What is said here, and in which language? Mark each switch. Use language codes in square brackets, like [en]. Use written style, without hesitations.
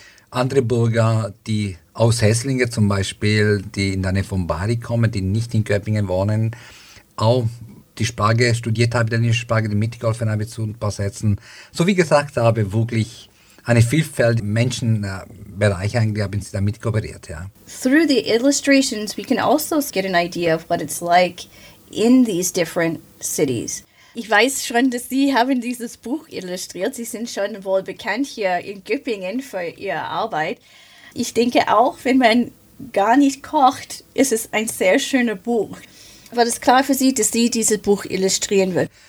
[de] Andere Bürger, die aus Hesslingen zum Beispiel, die in der Nähe von Bari kommen, die nicht in Köpingen wohnen, auch die Sprache studiert haben, italienische Sprache, die mitgeholfen haben zu übersetzen. So wie gesagt, habe wirklich eine Vielfalt im Menschenbereich eigentlich, haben sie damit kooperiert, ja. [en] Through the illustrations, we can also get an idea of what it's like in these different cities. [de] Ich weiß schon, dass Sie haben dieses Buch illustriert. Sie sind schon wohl bekannt hier in Göppingen für Ihre Arbeit. Ich denke auch, wenn man gar nicht kocht, ist es ein sehr schönes Buch. War das klar für Sie, dass Sie dieses Buch illustrieren wird?